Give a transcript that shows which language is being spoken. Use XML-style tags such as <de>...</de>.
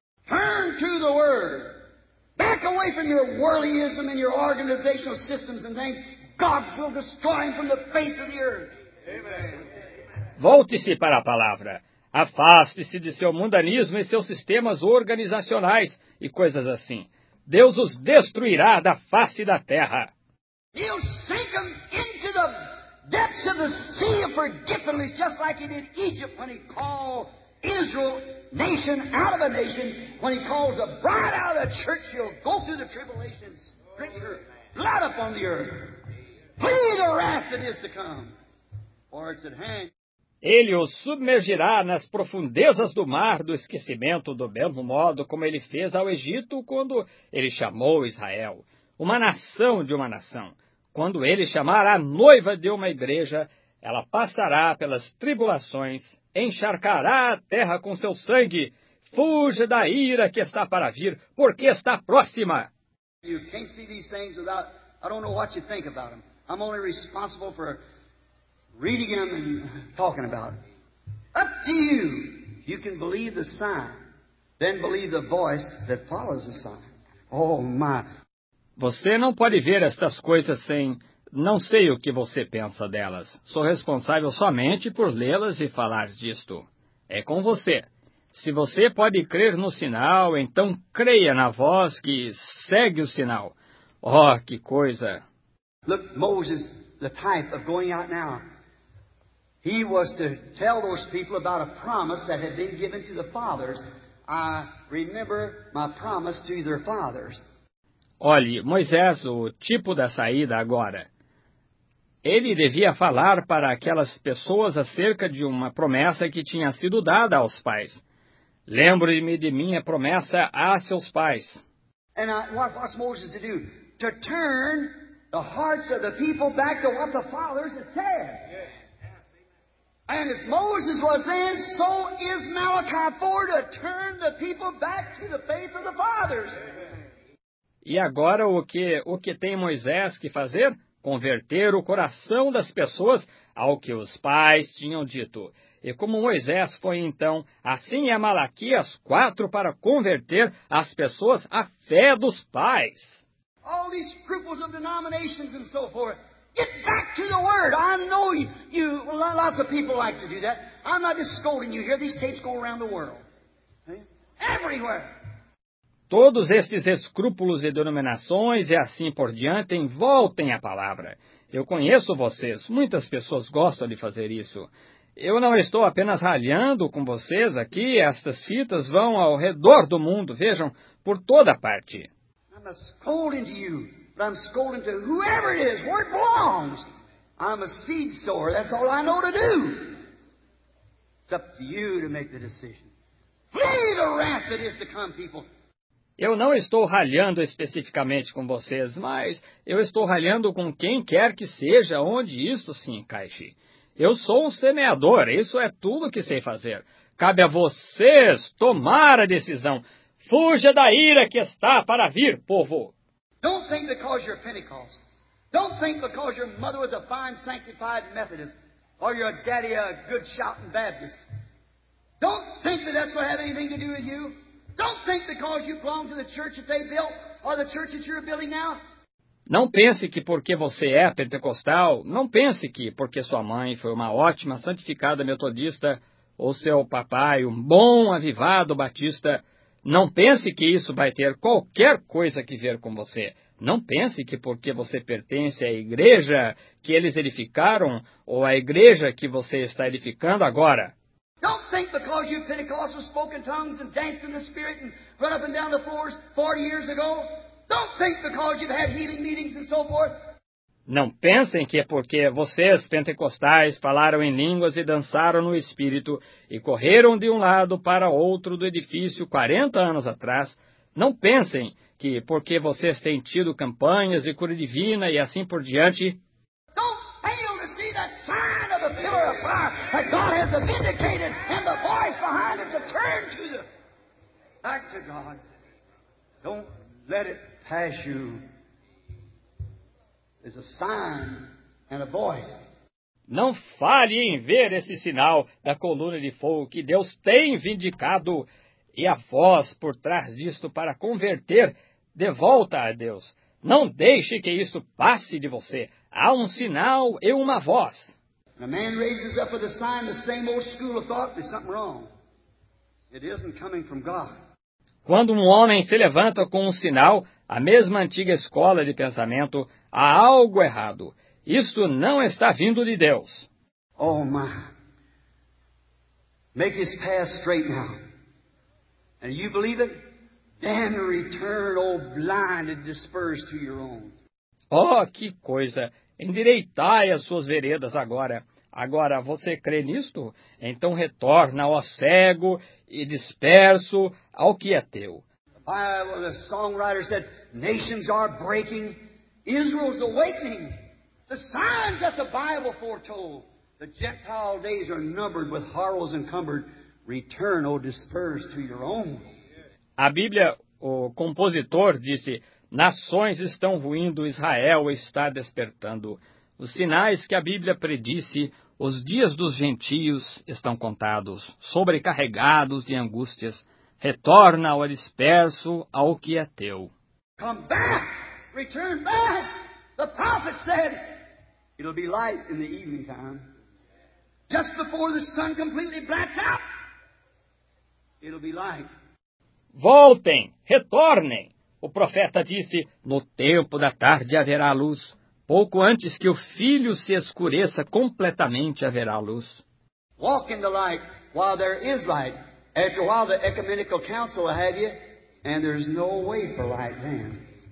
<en>Turn to the Word. Back away from your worldlyism and your organizational systems and things. God will destroy him from the face of the earth.</en> <pt>Volte-se para a palavra. Afaste-se de seu mundanismo e seus sistemas organizacionais e coisas assim. Deus os destruirá da face da terra.</pt> <en>He'll sink them into the depths of the sea of forgetfulness, just like he did Egypt when he called Israel, nation out of a nation, when he calls a bride out of the church, she'll go through the tribulations, drink her blood upon the earth. Flee the wrath that is to come, for it's at hand.</en> <pt>Ele os submergirá nas profundezas do mar do esquecimento, do mesmo modo como ele fez ao Egito quando ele chamou Israel, uma nação de uma nação. Quando ele chamar a noiva de uma igreja, ela passará pelas tribulações, encharcará a terra com seu sangue. Fuja da ira que está para vir, porque está próxima.</pt> <en>You can't see these things without, I don't know what you think about them. I'm only responsible for reading them and talking about them. Up to you. You can believe the sign, then believe the voice that follows the sign. Oh my.</en> <pt>Você não pode ver estas coisas sem... Não sei o que você pensa delas. Sou responsável somente por lê-las e falar disto. É com você. Se você pode crer no sinal, então creia na voz que segue o sinal. Oh, que coisa!</pt> <en>Look, Moses, the type of going out now. He was to tell those people about a promise that had been given to the fathers. I remember my promise to their fathers.</en> <pt>Olhe, Moisés, o tipo da saída agora. Ele devia falar para aquelas pessoas acerca de uma promessa que tinha sido dada aos pais. Lembre-me de minha promessa a seus pais.</pt> <en>And what's Moses to do? To turn the hearts of the people back to what the fathers had said. And as Moses was saying, so is Malachi 4, to turn the people back to the faith of the fathers.</en> <pt>E agora o que tem Moisés que fazer? Converter o coração das pessoas ao que os pais tinham dito. E como Moisés foi então, assim é Malaquias 4 para converter as pessoas à fé dos pais.</pt> <en>All these scruples of denominations and so forth. Get back to the word. I know you. Lots of people like to do that. I'm not just scolding you here. These tapes go around the world. Everywhere.</en> <pt>Todos estes escrúpulos e denominações e assim por diante, voltem à palavra. Eu conheço vocês. Muitas pessoas gostam de fazer isso. Eu não estou apenas ralhando com vocês aqui. Estas fitas vão ao redor do mundo. Vejam, por toda parte.</pt> <en>I'm not scolding to you, but I'm scolding to whoever it is, where it belongs. I'm a seed sower. That's all I know to do. It's up to you to make the decision. Flee the wrath that is to come, people.</en> <pt>Eu não estou ralhando especificamente com vocês, mas eu estou ralhando com quem quer que seja onde isto se encaixe. Eu sou um semeador, isso é tudo que sei fazer. Cabe a vocês tomar a decisão. Fuja da ira que está para vir, povo.</pt> <en>Don't think because you're Pentecost. Don't think because your mother was a fine sanctified Methodist or your daddy a good shouting Baptist. Don't think that that's what had anything to do with you. Don't think because you belong to the church that they built or the church that you're building now.</en> <pt>Não pense que porque você é pentecostal, não pense que porque sua mãe foi uma ótima santificada metodista ou seu papai um bom avivado batista, não pense que isso vai ter qualquer coisa que ver com você. Não pense que porque você pertence à igreja que eles edificaram ou à igreja que você está edificando agora.</pt> <en>Don't think because you Pentecostals spoke in tongues and danced in the Spirit and run up and down the floors 40 years ago. Don't think because you've had healing meetings and so forth.</en> <pt>Não pensem que é porque vocês, pentecostais, falaram em línguas e dançaram no Espírito e correram de um lado para outro do edifício 40 anos atrás. Não pensem que porque vocês têm tido campanhas e cura divina e assim por diante.</pt> <en>Don't fail to see that sign of the pillar of fire that God has vindicated and the voice behind it to turn to the back to God. Don't let it pass you. There's a sign and a voice.</en> <pt>Não fale em ver esse sinal da coluna de fogo que Deus tem vindicado e a voz por trás disto para converter de volta a Deus. Não deixe que isto passe de você. Há um sinal e uma voz.</pt> <en>A man raises up with a sign the same old school of thought, there's something wrong. It isn't coming from God.</en> <pt>Quando um homem se levanta com um sinal, a mesma antiga escola de pensamento, há algo errado. Isto não está vindo de Deus.</pt> <en>Oh, my. Make his path straight now. And you believe it? Then return, oh, blind and dispersed to your own.</en> <pt>Oh, que coisa. Endireitai as suas veredas agora. Agora, você crê nisto? Então retorna, ó cego e disperso, ao que é teu.</pt> <en>The songwriter said, nations are breaking, Israel's awakening. The signs that the Bible foretold, the Gentile days are numbered with horrors encumbered. Return, O dispersed, to your own.</en> <pt>A Bíblia, o compositor, disse, nações estão ruindo, Israel está despertando. Os sinais que a Bíblia predisse, os dias dos gentios estão contados, sobrecarregados de angústias. Retorna ao disperso, ao que é teu.</pt> <en>Come back return back. The prophet said, it'll be light in the evening time. Just before the sun completely blacks out, it'll be light.</en> <pt>Voltem, retornem. O profeta disse, no tempo da tarde haverá luz. Pouco antes que o filho se escureça completamente, haverá luz.</pt> <en>Walk in the light while there is light. After a while, the ecumenical council will have you, and there's no way for light then.</en>